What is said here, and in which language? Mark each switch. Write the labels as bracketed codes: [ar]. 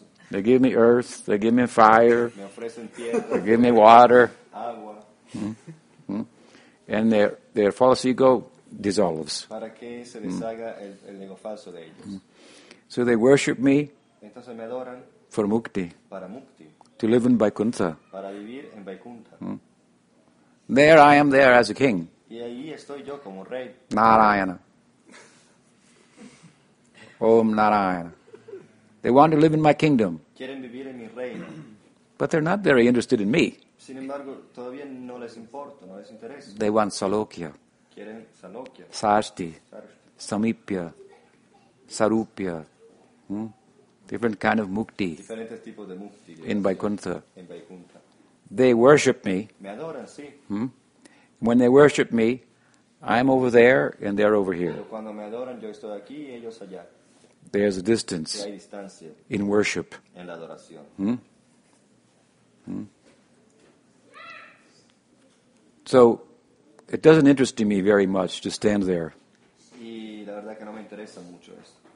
[en] They give me earth, they give me fire, they give me water. And their false ego dissolves. [es] Para que se deshaga el ego falso de ellos. [en] So they worship me. [es] Entonces me adoran [en] for mukti. [es] Para mukti. [en] To live in Vaikuntha. [es] Para vivir en Vaikuntha. [en] There I am there as a king. [es] Y ahí estoy yo como rey. [en] Narayana. Om Narayana. They want to live in my kingdom. [es] Quieren vivir en mi reino. [en] But they're not very interested in me. [es] Sin embargo, todavía no les importo, no les interesa. [en] They want Salokya. [es] Quieren Salokya. [en] Sarshti. Samipya. Sarupya. Different kind of mukti. [es] Diferentes tipos de mukti. [en] In Vaikuntha. [es] En Vaikuntha. [en] They worship me. [es] Me adoran, sí. [en] When they worship me, I'm over there and they're over here. [es] Pero cuando me adoran, yo estoy aquí y ellos allá. [en] bears a distance in worship. [es] En la adoración. [en] So, it doesn't interest me very much to stand there [es] y la verdad que no me interesa mucho esto.